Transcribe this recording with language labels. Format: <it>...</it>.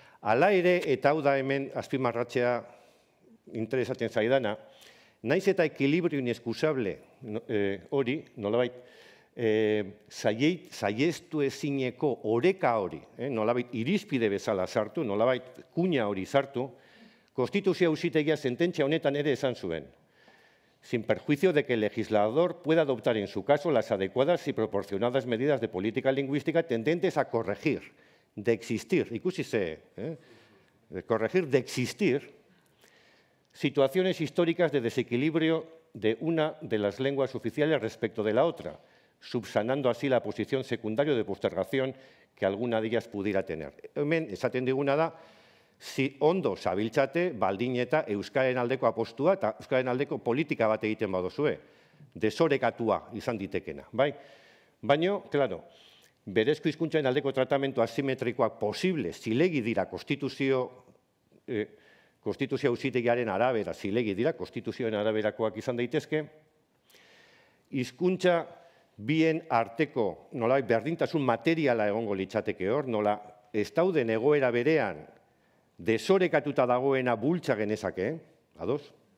<eu>Hala ere, eta hau da hemen azpimarratzea interesatzen zaidana, nahiz eta ekilibrio inexcusable hori, nolabait, zaieztu ezineko oreka hori, nolabait, irizpide bezala zartu, nolabait, kuña hori zartu, Konstituzio auzitegia sententzia honetan ere esan zuen.</eu> <es>Sin perjuicio de que el legislador pueda adoptar en su caso las adecuadas y proporcionadas medidas de política lingüística tendentes a corregir, de existir,</es> <eu>ikusi ze,</eu> <es>corregir, de existir, situaciones históricas de desequilibrio de una de las lenguas oficiales respecto de la otra, subsanando así la posición secundaria de postergación que alguna de ellas pudiera tener.</es> <eu>Hemen, esaten diguna da, Zi ondo zabiltzate, baldin eta Euskaren aldeko apostua eta Euskaren aldeko politika bat egiten badozue, desorekatua izan ditekena. Baina, klaro, berezko hizkuntzaren aldeko tratamentu asimetrikoak posible, zilegi dira konstituzio auzitegiaren arabera, zilegi dira konstituzioen araberakoak izan daitezke, hizkuntza bien arteko, nola, berdintasun materiala egongo litzateke hor, nola, ez dauden egoera berean, desorekatuta dagoena bultza genezake, ados?</eu>